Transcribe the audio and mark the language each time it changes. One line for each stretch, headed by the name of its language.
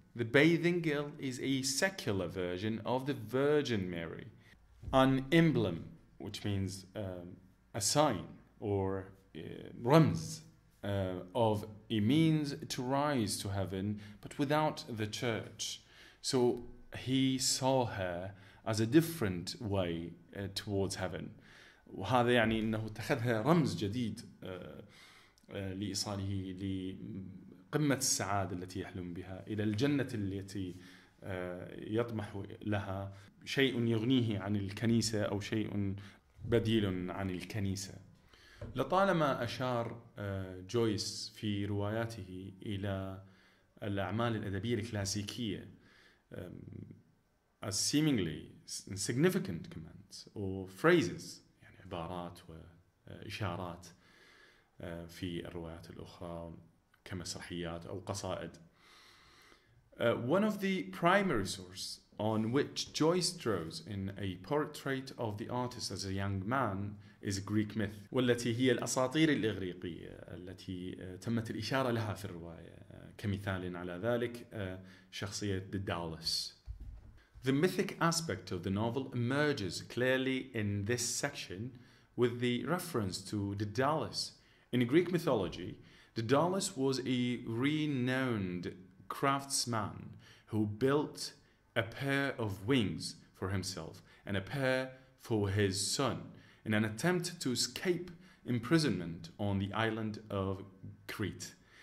English: The bathing girl is a secular version of the Virgin Mary, an emblem, which means a sign or rams, of a means to rise to heaven, but without the church. So he saw her as a different way towards heaven.
Arabic: وهذا يعني أنه اتخذها رمز جديد لإيصاله لقمة السعادة التي يحلم بها إلى الجنة التي يطمح لها شيء يغنيه عن الكنيسة أو شيء بديل عن الكنيسة. لطالما أشار جويس في رواياته إلى الأعمال الأدبية الكلاسيكية
English: as seemingly significant commands or phrases,
Arabic: يعني عبارات وإشارات في الروايات الأخرى كمسرحيات أو قصائد.
English: One of the primary sources on which Joyce draws in A Portrait of the Artist as a Young Man is Greek myth,
Arabic: والتي هي الأساطير الإغريقية التي تمت الإشارة لها في الرواية. كمثال على ذلك شخصية Daedalus.
English: The mythic aspect of the novel emerges clearly in this section with the reference to Daedalus. In Greek mythology, Daedalus was a renowned craftsman who built a pair of wings for himself and a pair for his son in an attempt to escape imprisonment on the island of Crete.